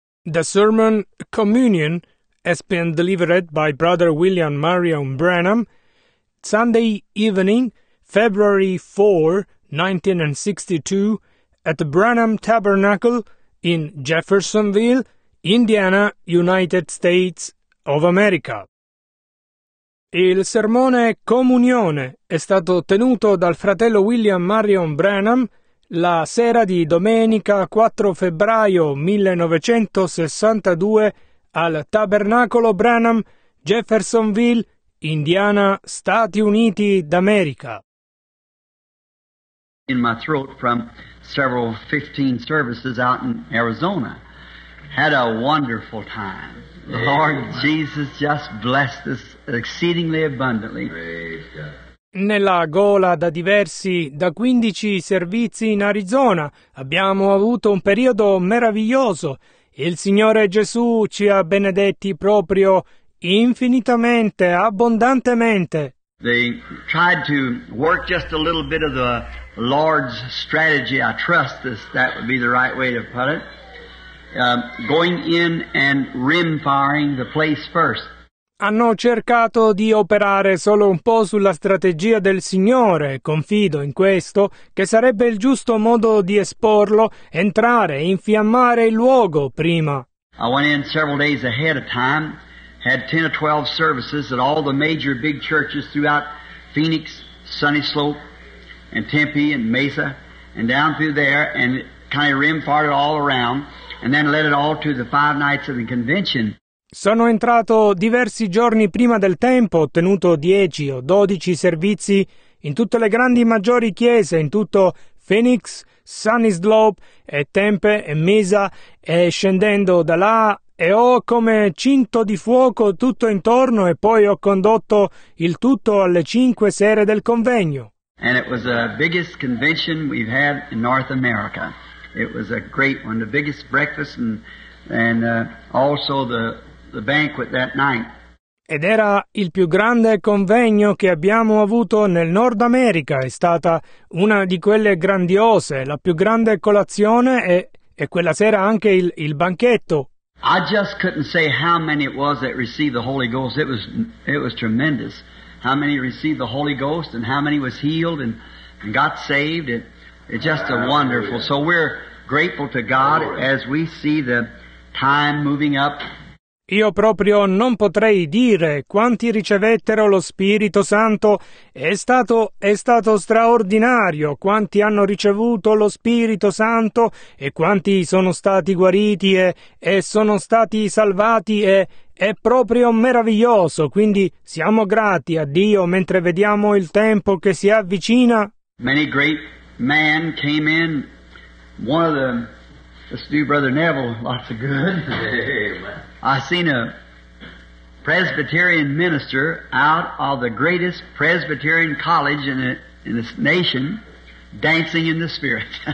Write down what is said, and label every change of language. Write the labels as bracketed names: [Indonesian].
[English] The sermon, Communion, has been delivered by Brother William Marion Branham, Sunday evening, February 4, 1962, at the Branham Tabernacle in Jeffersonville, Indiana, United States of America. [Italian] Il sermone Comunione è stato tenuto dal fratello William Marion Branham la sera di domenica 4 febbraio 1962 al Tabernacolo Branham, Jeffersonville, Indiana, Stati Uniti d'America. [English] In my throat from several 15 services out in Arizona. Had a wonderful time. The Lord Jesus just blessed us exceedingly abundantly. [Italian] Nella gola da diversi, da 15 servizi in Arizona, abbiamo avuto un periodo meraviglioso. Il Signore Gesù ci ha benedetti proprio infinitamente, abbondantemente. [English] They tried to work just a little bit of the Lord's strategy, I trust this, that would be the right way to put it, going in and rim firing the place first. [Italian] Hanno cercato di operare solo un po' sulla strategia del Signore, confido in questo, che sarebbe il giusto modo di esporlo, entrare, infiammare il luogo prima. [English] I went in several days ahead of time, had 10 or 12 services at all the major big churches throughout Phoenix, Sunny Slope, and Tempe, and Mesa, and down through there, and kind of rim-farted all around, and then led it all to the five nights of the convention. [Italian] Sono entrato diversi giorni prima del tempo, ho tenuto 10 o 12 servizi in tutte le grandi maggiori chiese, in tutto Phoenix, Sunny Slope e Tempe e Mesa, e scendendo da là e ho come cinto di fuoco tutto intorno e poi ho condotto il tutto alle 5 sere del convegno. [English] And it was the biggest convention we've had in North America. It was a great one, the biggest breakfast and also the banquet that night. [Italian] Ed era il più grande convegno che abbiamo avuto nel Nord America. È stata una di quelle grandiose, la più grande colazione e quella sera anche il banchetto. [English] I just couldn't say how many it was that received the Holy Ghost. It was tremendous. How many received the Holy Ghost and how many was healed and got saved. It's just a wonderful. So we're grateful to God as we see the time moving up. [Italian] Io proprio non potrei dire quanti ricevettero lo Spirito Santo. È stato straordinario quanti hanno ricevuto lo Spirito Santo e quanti sono stati guariti e sono stati salvati e è proprio meraviglioso, quindi siamo grati a Dio mentre vediamo il tempo che si avvicina. [English] Many great men came in, one of them, let's do Brother Neville, lots of good. I seen a Presbyterian minister out of the greatest Presbyterian college in this nation, dancing in the Spirit.